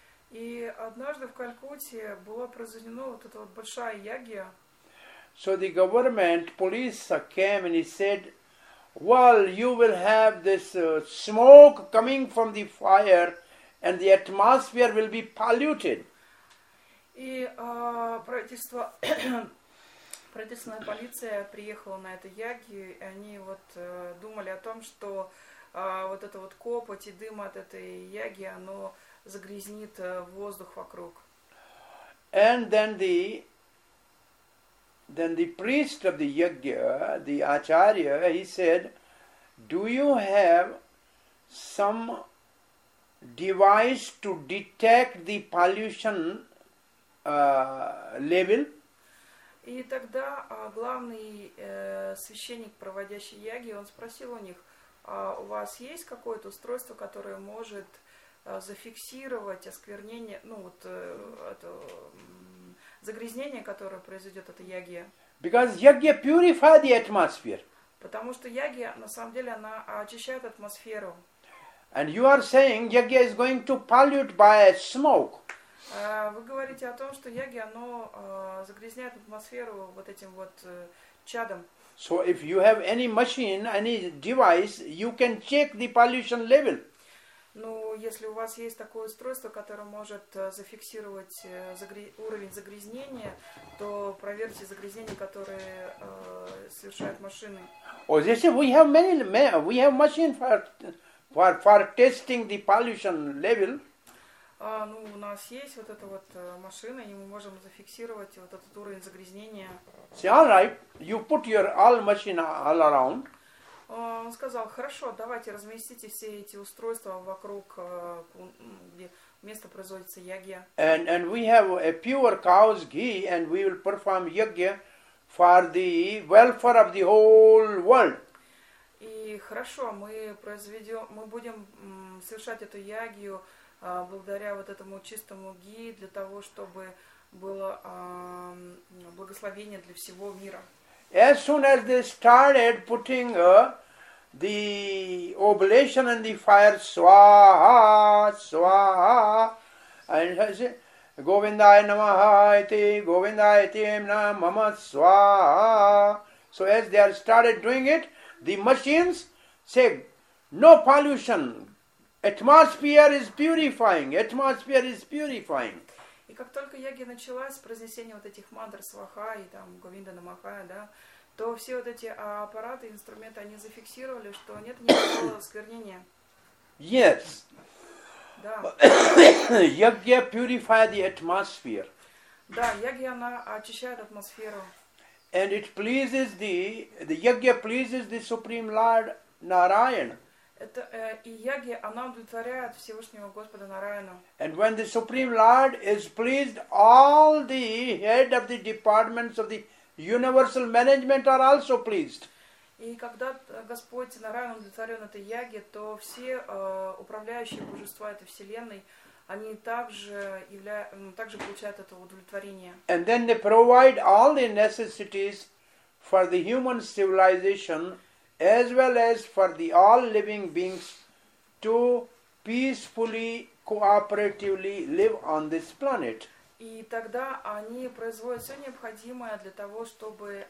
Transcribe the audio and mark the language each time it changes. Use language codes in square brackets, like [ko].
[ru] И однажды в Калькутте была произведена вот эта вот большая ягья. [en] So the government police came and he said, well, you will have this smoke coming from the fire and the atmosphere will be polluted. [ru] И правительство, правительственная полиция приехала на эту ягью, и они вот думали о том, что вот это вот копоть и дым от этой яги, оно загрязнит воздух вокруг. [en] And then the priest of the yagya, the acharya, he said, do you have some device to detect the pollution level? [ru] И тогда главный священник, проводящий яги, он спросил у них, у вас есть какое-то устройство, которое может зафиксировать осквернение, ну вот это загрязнение, которое произойдет от яги? [en] Because yagya purify the atmosphere. [ru] Потому что яги, на самом деле, она очищает атмосферу. [en] And you are saying yagya is going to pollute by smoke. [ru] Вы говорите о том, что яги, оно загрязняет атмосферу вот этим вот чадом. [en] So if you have any machine, any device, you can check the pollution level. [ru] Ну, если у вас есть такое устройство, которое может зафиксировать уровень загрязнения, то проверьте загрязнение, которое совершает машины. [en] Oh, they say we have machine for testing the pollution level. [ru] Ну, у нас есть вот эта вот машина, и мы можем зафиксировать вот этот уровень загрязнения. [en] See, all right, you put your all machine all around. [ru] Он сказал, хорошо, давайте разместите все эти устройства вокруг, где место производится ягья. [en] And we have a pure cow's ghee, and we will perform ягья for the welfare of the whole world. [ru] И хорошо, мы будем совершать эту ягью благодаря вот этому чистому ги для того, чтобы было благословение для всего мира. [en] As soon as they started putting the oblation and the fire, swaha, swaha, and I say, [sa] Govindaya namaha iti, Govindaya iti emna mama swaha. [en] So as they are started doing it, the machines say, no pollution, atmosphere is purifying, atmosphere is purifying. [ru] И как только яги началась произнесение вот этих мантр сваха и там говинда намаха, да, то все вот эти аппараты, инструменты, они зафиксировали, что нет никакого осквернения. [en] Yes. [ru] Да. [en] Yagya purify the atmosphere. [ru] Да, яги она очищает атмосферу. [en] And it pleases the yagya pleases the Supreme Lord Narayana. [ru] Это и яги, она удовлетворяет Всевышнего Господа Нараяну. [en] And when the Supreme Lord is pleased, all the head of the departments of the universal management are also pleased. [ru] И когда Господь Нараяна удовлетворен этой яги, то все управляющие божества этой вселенной, они также получают это удовлетворение. [en] And then they provide all the necessities for the human civilization, as well as for the all living beings to peacefully, cooperatively live on this planet. [ru] И тогда они производят все необходимое для того, чтобы